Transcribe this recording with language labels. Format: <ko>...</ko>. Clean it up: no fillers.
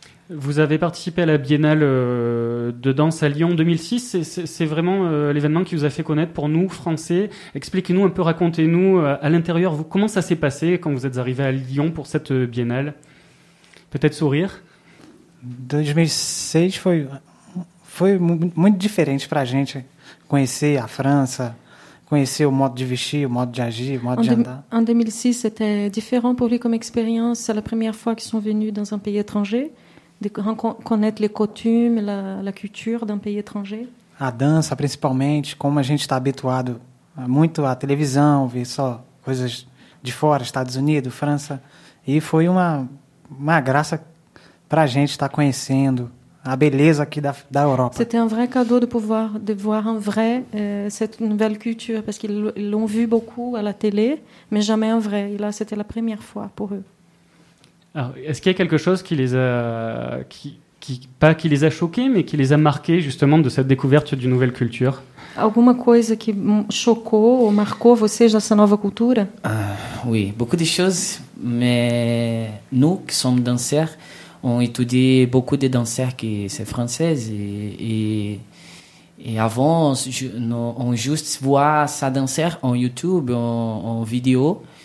<fr>Vous avez participé à la Biennale de danse à Lyon 2006. C'est vraiment l'événement qui vous a fait connaître pour nous, Français. Expliquez-nous un peu, racontez-nous à l'intérieur. Comment ça s'est passé quand vous êtes arrivé à Lyon pour cette Biennale? Peut-être Sourire.</fr> <pt>2006 foi muito diferente para a gente conhecer a França, conhecer o modo de vestir, o modo de agir, o modo de andar.</pt> <fr>En 2006, c'était différent pour lui comme expérience. C'est la première fois qu'ils sont venus dans un pays étranger. De connaître les coutumes, la culture d'un pays étranger.</fr> <pt>A dança, principalmente, como a gente está habituado muito à televisão, ver só coisas de fora, Estados Unidos, França. E foi uma graça para a gente estar conhecendo a beleza aqui da Europa.</pt> <fr>C'était un vrai cadeau de pouvoir de voir en vrai cette nouvelle culture, parce qu'ils l'ont vu beaucoup à la télé, mais jamais en vrai. Et là, c'était la première fois pour eux. Alors, est-ce qu'il y a quelque chose qui les a, pas qui les a choqués, mais qui les a marqués justement de cette découverte d'une nouvelle culture?</fr> <pt>Alguma coisa que chocou ou marcou vocês dessa nova cultura?</pt> <fr>Oui, beaucoup de choses, mais nous qui sommes danseurs, on étudie beaucoup de danseurs qui sont françaises et avant, on juste voit sa danseur en YouTube, en vidéo.</fr>